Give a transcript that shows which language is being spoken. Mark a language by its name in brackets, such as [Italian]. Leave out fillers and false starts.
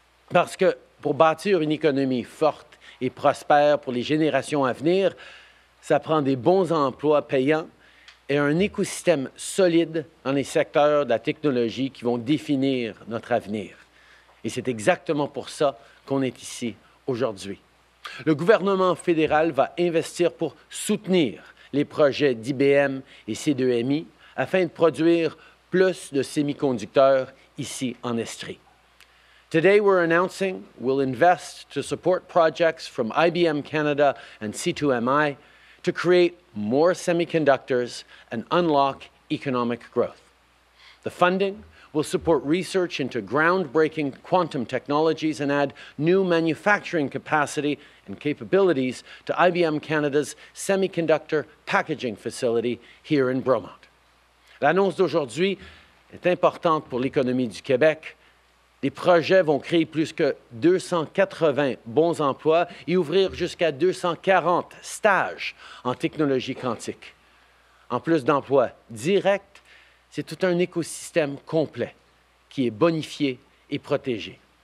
[French] Parce que pour bâtir une économie forte et prospère pour les générations à venir, ça prend des bons emplois payants et un écosystème solide dans les secteurs de la technologie qui vont définir notre avenir. Et c'est exactement pour ça qu'on est ici aujourd'hui. Le gouvernement fédéral va investir pour soutenir les projets d'IBM et C2MI afin de produire plus de semi-conducteurs ici en Estrie. [English] Today we're announcing we'll invest to support projects from IBM Canada and C2MI to create more semiconductors and unlock economic growth. The funding will support research into groundbreaking quantum technologies and add new manufacturing capacity and capabilities to IBM Canada's semiconductor packaging facility here in Bromont. [French] L'annonce d'aujourd'hui est importante pour l'économie du Québec. Les projets vont créer plus que 280 bons emplois et ouvrir jusqu'à 240 stages en technologie quantique. En plus d'emplois directs, c'est tout un écosystème complet qui est bonifié et protégé.